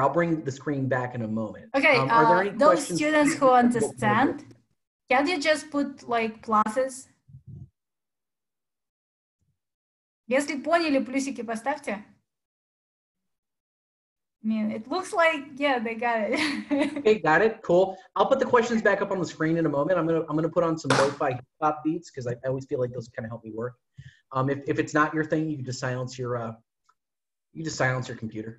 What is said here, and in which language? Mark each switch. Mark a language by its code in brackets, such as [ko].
[en] I'll bring the screen back in a moment. Okay, are there any those questions students who understand, can you just put like pluses? [ru] Если поняли, плюсики поставьте. [en] I mean, it looks like, yeah, they got it. Okay, got it. Cool. I'll put the questions back up on the screen in a moment. I'm gonna put on some lo-fi hip-hop beats because I always feel like those kind of help me work. If it's not your thing, you can just silence your computer.